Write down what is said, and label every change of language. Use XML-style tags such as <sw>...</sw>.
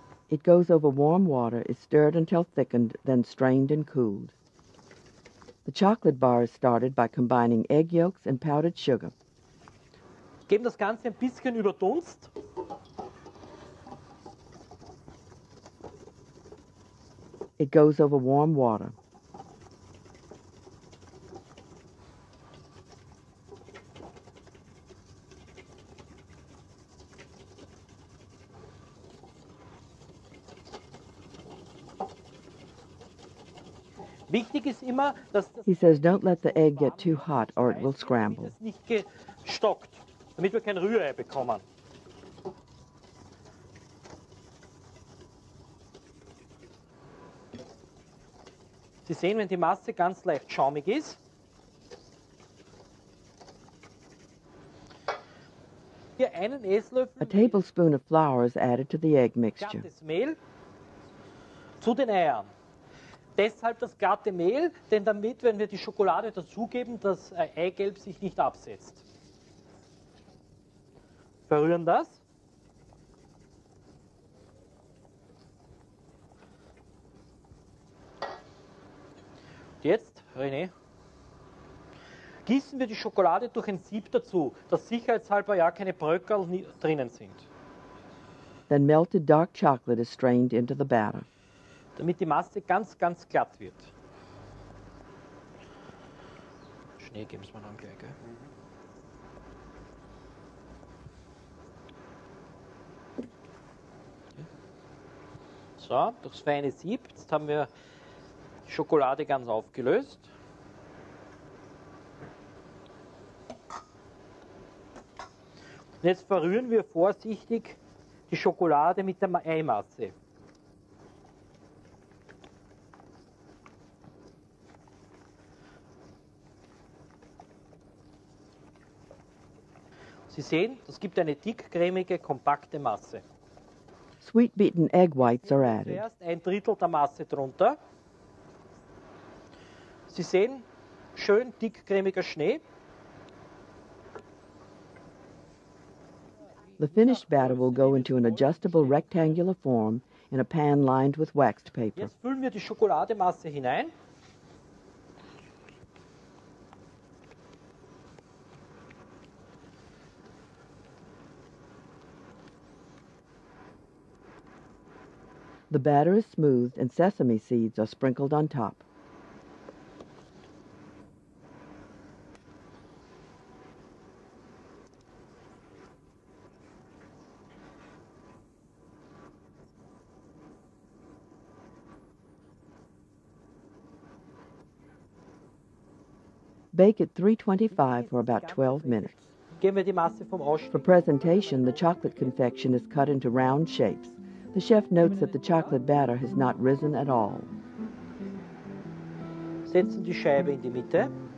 <en>It goes over warm water, is stirred until thickened, then strained and cooled. The chocolate bar is started by combining egg yolks and powdered sugar.</en> <de>Geben das Ganze ein bisschen über Dunst.</de> <en>It goes over warm water.</en> <de>Wichtig ist immer, dass</de> <en>he says, don't let the egg get too hot or it will scramble.</en> <de>Nicht gestockt, damit wir kein Rührei bekommen. Sie sehen, wenn die Masse ganz leicht schaumig ist, hier einen Esslöffel.</de> <en>A tablespoon of flour is added to the egg mixture.</en> <de>Glattes Mehl zu den Eiern. Deshalb das glatte Mehl, denn damit, wenn wir die Schokolade dazugeben, das Eigelb sich nicht absetzt. Verrühren das. Jetzt, René, gießen wir die Schokolade durch ein Sieb dazu, dass sicherheitshalber ja keine Bröckerl drinnen sind.</de> <en>Then melted dark chocolate is strained into the batter.</en> <de>Damit die Masse ganz, ganz glatt wird. Schnee geben wir noch gleich, gell? So, durchs feine Sieb, jetzt haben wir Schokolade ganz aufgelöst. Und jetzt verrühren wir vorsichtig die Schokolade mit der Eimasse. Sie sehen, das gibt eine dickcremige, kompakte Masse.</de> <en>sweet beaten egg whites are added.</en> <de>Zuerst ein Drittel der Masse drunter. Sie sehen, schön dick cremiger Schnee.</de> <en>The finished batter will go into an adjustable rectangular form in a pan lined with waxed paper.</en> <de>Jetzt füllen wir die Schokolademasse hinein.</de> <en>The batter is smoothed and sesame seeds are sprinkled on top. Bake at 325 for about 12 minutes.</en> <de>Geben wir die Masse vom Ausstieg.</de> <en>For presentation, the chocolate confection is cut into round shapes. The chef notes that the chocolate batter has not risen at all.</en> <de>Setzen die Scheibe in die Mitte.</de>